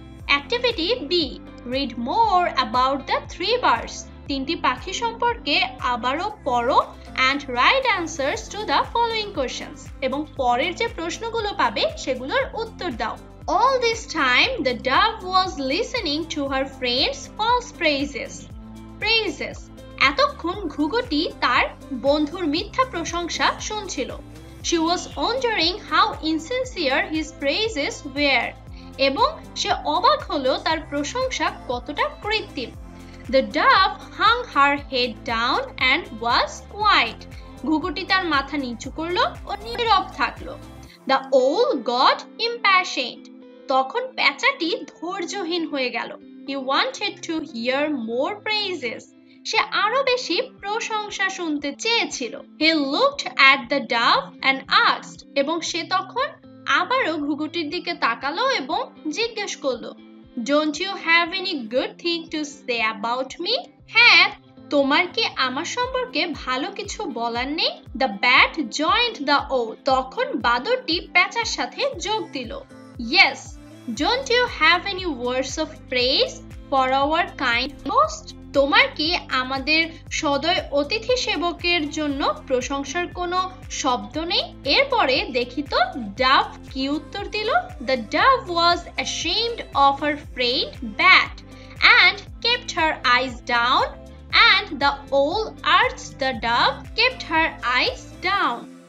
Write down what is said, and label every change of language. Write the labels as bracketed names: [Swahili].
[English] activity B, read more about the three birds, [Bangla] তিনটি পাখি সম্পর্কে আবারও পড়ো [English] and write answers to the following questions, [Bangla] এবং পরের যে প্রশ্নগুলো পাবে সেগুলোর উত্তর দাও। [English] All this time the dove was listening to her friends false praises, praises. [Bangla] এতক্ষণ ঘুঘুটি তার বন্ধুর মিথ্যা প্রশংসা শুনছিল। [English] She was wondering how insincere his praises were. [Bangla] এবং সে অবাক হলো তার প্রশংসা কতটা কৃত্রিম। [English] The dove hung her head down and was quiet. [Bangla] ঘুঘুটি তার মাথা নিচু করলো ও নীরব থাকলো। [English] The owl got impatient. [Bangla] তখন প্যাঁচাটি ধৈর্যহীন হয়ে গেল। [English] He wanted to hear more praises. [Bangla] সে আরো বেশি প্রশংসা শুনতে চেয়েছিল। [English] He looked at the dove and asked. [Bangla] এবং সে তখন আবারও ঘুঘুটির দিকে তাকালো এবং জিজ্ঞেস করলো, [English] Don't you have any good thing to say about me? [Bangla] হ্যাঁ, তোমার কি আমার সম্পর্কে ভালো কিছু বলার নেই? [English] The bat joined the owl. [Bangla] তখন বাদরটি প্যাঁচার সাথে যোগ দিল। [English] Yes, don't you have any words of praise for our kind host? [Bangla] তোমার কি আমাদের সদয় অতিথি সেবকের জন্য প্রশংসার কোনো শব্দ নেই? এরপরে দেখি তো ডাভ কি উত্তর দিল। [English] The dove was ashamed of her friend bat and kept her eyes down and the owl arch the dove kept her eyes down.